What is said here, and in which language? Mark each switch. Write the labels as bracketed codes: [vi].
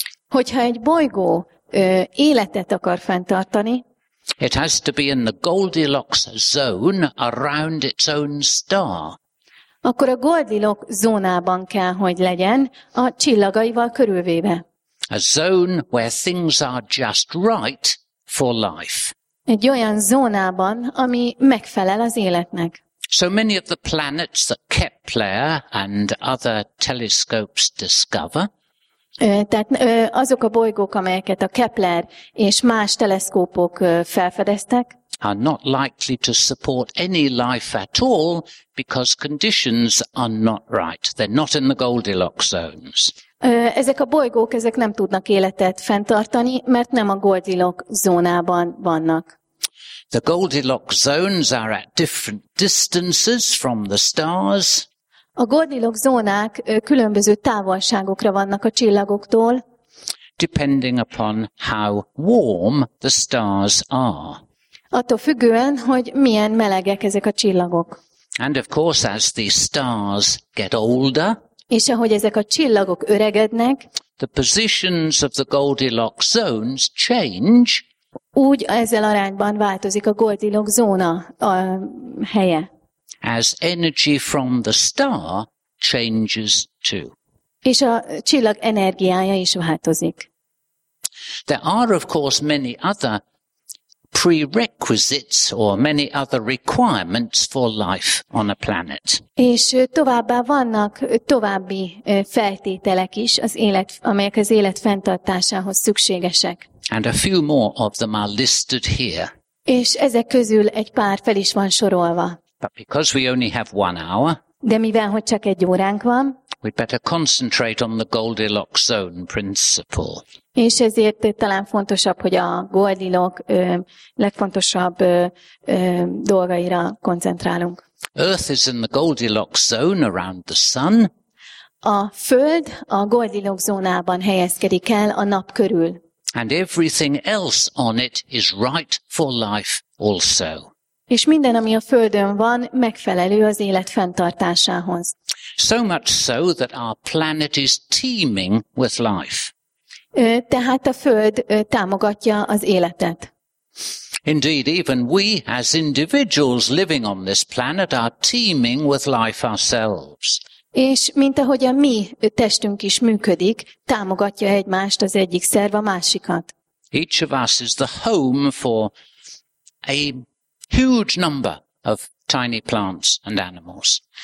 [hu] hogyha egy bolygó életet akar fenntartani, [en] it has to be in the Goldilocks zone around its own star. [hu] Akkor a Goldilocks zónában kell, hogy legyen, a csillagaival körülvéve. [en] A zone where things are just right for life. [hu] Egy olyan zónában, ami megfelel az életnek. [en] So many of the planets that Kepler and other telescopes discover. [hu] Tehát azok a bolygók, amelyeket a Kepler és más teleszkópok felfedeztek, [en] are not likely to support any life at all because conditions are not right. They're not in the Goldilocks zones. [hu] Ezek a bolygók, ezek nem tudnak életet fenntartani, mert nem a Goldilocks zónában vannak. [en] The Goldilocks zones are at different distances from the stars. [hu] A Goldilocks zónák különböző távolságokra vannak a csillagoktól. [en] Depending upon how warm the stars are. [hu] Attól függően, hogy milyen melegek ezek a csillagok. [en] And of course, as the stars get older, [hu] és ahogy ezek a csillagok öregednek, [en] the positions of the Goldilocks zones change. [hu] Úgy ezzel arányban változik a Goldilocks zóna a helye. [en] As energy from the star changes too. [hu] És a csillag energiája is változik. [en] There are of course many other prerequisites or many other requirements for life on a planet. [hu] És továbbá vannak további feltételek is, az élet, amelyek az élet fenntartásához szükségesek. [en] And a few more of them are listed here. [hu] És ezek közül egy pár fel is van sorolva. [en] But because we only have 1 hour, [hu] de mivel hogy csak egy óránk van, [en] we'd better concentrate on the Goldilocks zone principle. [hu] És ezért talán fontosabb, hogy a Goldilocks legfontosabb dolgaira koncentrálunk. [en] Earth is in the Goldilocks zone around the sun. [hu] A Föld a Goldilocks zónában helyezkedik el a nap körül. [en] And everything else on it is right for life also. [hu] És minden, ami a Földön van, megfelelő az élet fenntartásához. [en] So much so that our planet is teeming with life. [hu] Tehát a Föld támogatja az életet. [en] Indeed, even we as individuals living on this planet are teeming with life ourselves. [hu] És mint ahogy a mi testünk is működik, támogatja egymást az egyik szerv a másikat. [en] Each of us is the home for a huge number of tiny plants and animals.